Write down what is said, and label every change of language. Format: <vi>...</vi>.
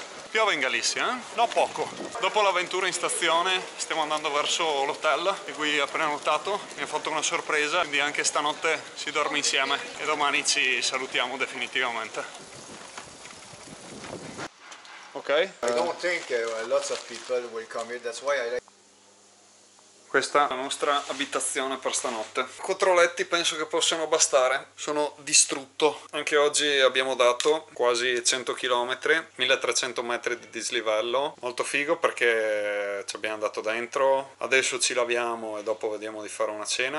<it>Piove in Galizia, eh? No, poco. Dopo l'avventura in stazione stiamo andando verso l'hotel e qui appena notato mi ha fatto una sorpresa, quindi anche stanotte si dorme insieme e domani ci salutiamo definitivamente. Ok.</it> <en>I don't think lots of people will come here, that's why I like.</en> <it>Questa è la nostra abitazione per stanotte. 4 letti penso che possano bastare. Sono distrutto. Anche oggi abbiamo dato quasi 100 km, 1300 metri di dislivello. Molto figo perché ci abbiamo andato dentro. Adesso ci laviamo e dopo vediamo di fare una cena.</it>